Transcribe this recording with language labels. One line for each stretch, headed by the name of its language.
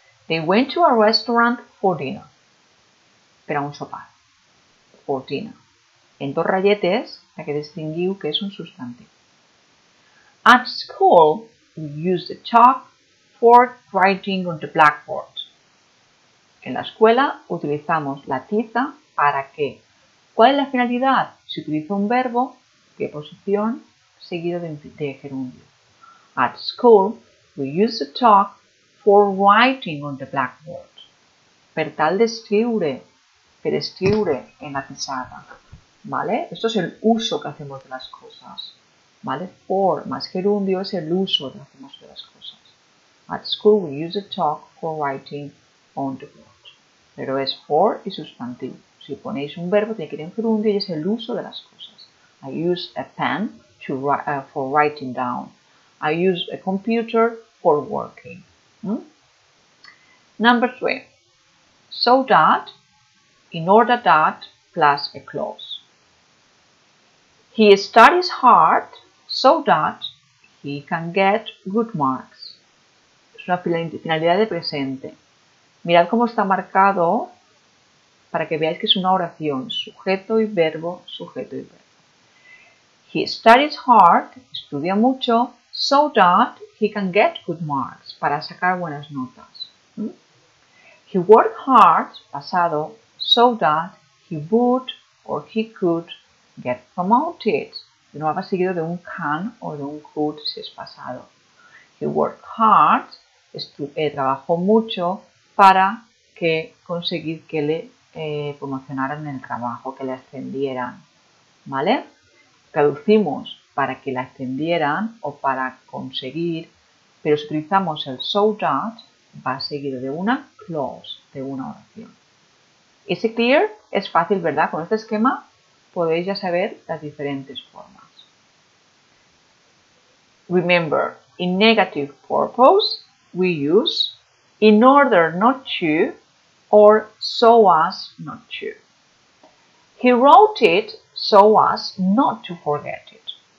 English: They went to a restaurant for dinner.
Catalan: Pero un sopar.
English: For dinner.
Spanish: En dos rayetes, la que distinguiu que es un sustantivo.
English: At school, we use the chalk for writing on the blackboard.
Spanish: En la escuela utilizamos la tiza para qué. ¿Cuál es la finalidad? Se utiliza un verbo, preposición, seguido de gerundio.
English: At school, we use the chalk for writing on the blackboard.
Catalan: Per tal de escribir, per escribir en la pizarra. ¿Vale?
Spanish: Esto es el uso que hacemos de las cosas. ¿Vale? For más gerundio es el uso que hacemos de las cosas.
English: At school, we use the chalk for writing on the blackboard.
Spanish: Pero es for y sustantivo. Si ponéis un verbo, tiene que ir en gerundio y es el uso de las cosas.
English: I use a pen to for writing down. I use a computer for working. Number 3. So that, in order that, plus a clause. He studies hard so that he can get good marks.
Spanish: Es una finalidad de presente. Mirad cómo está marcado para que veáis que es una oración. Sujeto y verbo, sujeto y verbo.
English: He studies hard,
Spanish: estudia mucho,
English: so that he can get good marks,
Spanish: para sacar buenas notas.
English: He worked hard,
Spanish: pasado,
English: so that he would or he could get promoted.
Spanish: De nuevo, seguido de un can o de un could, si es pasado.
English: He worked hard,
Spanish: trabajó mucho, para que conseguir que le promocionaran en el trabajo, que le ascendieran, ¿vale? Traducimos para que le ascendieran o para conseguir, pero si utilizamos el so that, va seguido de una clause, de una oración.
English: ¿Is it clear?
Spanish: Es fácil, ¿verdad? Con este esquema podéis ya saber las diferentes formas.
English: Remember, in negative purpose, we use in order not to, or so as not to. He wrote it so as not to forget it.